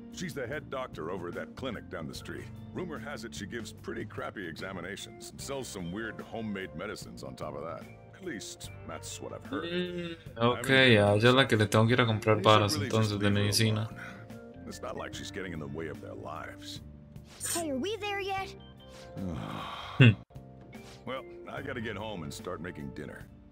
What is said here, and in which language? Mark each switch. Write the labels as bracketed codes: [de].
[en] She's the head doctor over at that clinic down the street. Rumor has it she gives pretty crappy examinations and sells some weird homemade medicines on top of that. At least, that's what I've heard. [es] Ok, ya es la que le tengo que ir a comprar balas entonces de medicina. [en] It's not like she's getting in the way of their lives. Hey, are we there yet? Well, I gotta get home and start making dinner.